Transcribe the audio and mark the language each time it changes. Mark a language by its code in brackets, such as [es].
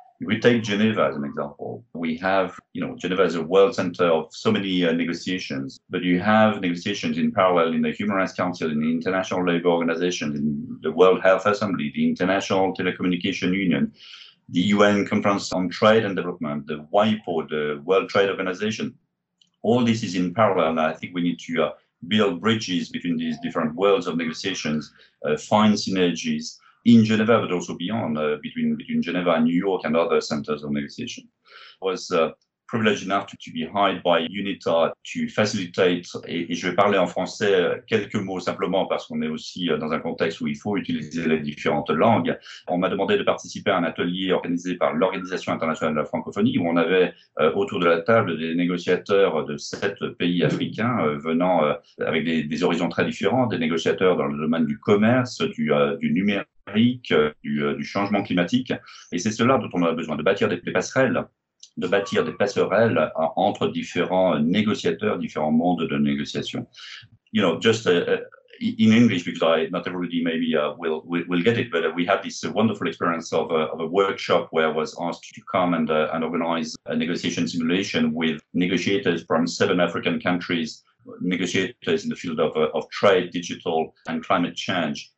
[en] If we take Geneva as an example, we have, you know, Geneva is a world center of so many negotiations, but you have negotiations in parallel in the Human Rights Council, in the International Labour Organization, in the World Health Assembly, the International Telecommunication Union, the UN Conference on Trade and Development, the WIPO, the World Trade Organization. All this is in parallel, and I think we need to build bridges between these different worlds of negotiations, find synergies in Geneva, but also beyond, between Geneva and New York and other centers of negotiation. I was privileged enough to be hired by UNITA to facilitate, [fr] et je vais parler en français quelques mots simplement parce qu'on est aussi dans un contexte où il faut utiliser les différentes langues. On m'a demandé de participer à un atelier organisé par l'Organisation internationale de la francophonie où on avait autour de la table des négociateurs de 7 pays africains venant avec des horizons très différents, des négociateurs dans le domaine du commerce, du numérique, du changement climatique. Et c'est cela dont on a besoin, de bâtir des passerelles, de bâtir des passerelles entre différents négociateurs, différents mondes de négociation. [en] You know, just in English, because I not everybody maybe will get it, but we had this wonderful experience of a workshop where I was asked to come and organize a negotiation simulation with negotiators from 7 African countries, negotiators in the field of trade, digital, and climate change.